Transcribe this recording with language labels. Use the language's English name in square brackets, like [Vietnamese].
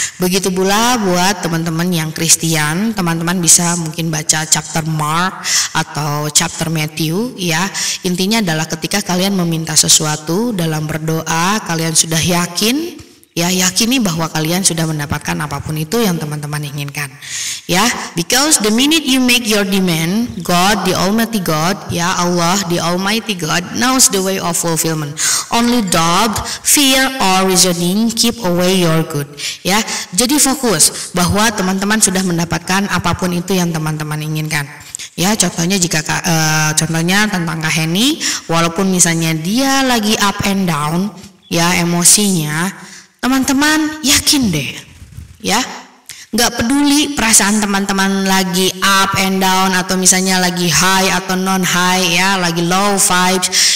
[Indonesian] Begitu pula buat teman-teman yang Kristen, teman-teman bisa mungkin baca chapter Mark atau chapter Matthew ya. Intinya adalah ketika kalian meminta sesuatu dalam berdoa, kalian sudah yakin. Ya, yakini bahwa kalian sudah mendapatkan apapun itu yang teman-teman inginkan. [English] Ya, because the minute you make your demand, God, the Almighty God, ya Allah, the Almighty God, knows the way of fulfillment. Only doubt, fear, or reasoning keep away your good. [Indonesian] Ya, jadi fokus bahwa teman-teman sudah mendapatkan apapun itu yang teman-teman inginkan. Ya, contohnya jika contohnya tentang Kak Henny, walaupun misalnya dia lagi up and down, ya emosinya. Teman-teman yakin deh, ya, nggak peduli perasaan teman-teman lagi up and down atau misalnya lagi high atau non high, ya, lagi low vibes.